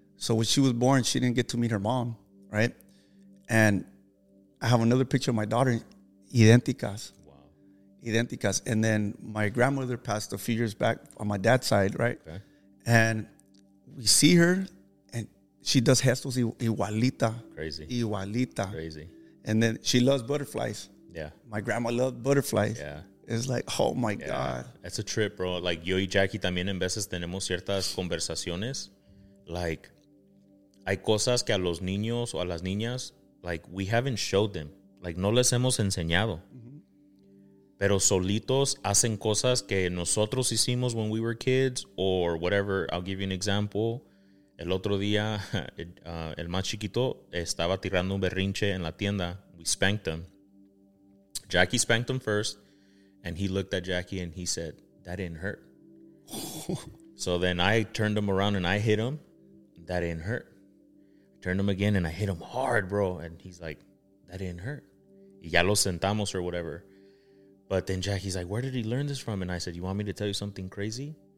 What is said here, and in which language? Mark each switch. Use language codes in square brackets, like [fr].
[en] So when she was born, she didn't get to meet her mom, right? And I have another picture of my daughter, [es] idénticas. [en] Wow. [es] Idénticas. [en] And then my grandmother passed a few years back on my dad's side, right? Okay. And we see her and she does [es] gestos igualita. [en] Crazy. [es] Igualita. [en] Crazy. And then she loves butterflies. Yeah. My grandma loved butterflies. Yeah. It's like, oh, my God. That's a trip, bro. [es] Like, yo y Jackie también en veces tenemos ciertas conversaciones. Like, hay cosas que a los niños o a las niñas, like, [en] we haven't showed them. [es] Like, no les hemos enseñado. Mm-hmm. Pero solitos hacen cosas que nosotros hicimos [en] when we were kids or whatever. I'll give you an example. [es] El otro día, el más chiquito estaba tirando un berrinche en la tienda. [en] We spanked him. Jackie spanked him first, and he looked at Jackie and he said, "That didn't hurt." So then I turned him around and I hit him. "That didn't hurt." I turned him again and I hit him hard, bro. And he's like, "That didn't hurt." [es] Y ya lo sentamos [en] or whatever. But then Jackie's like, "Where did he learn this from?" And I said, "You want me to tell you something crazy?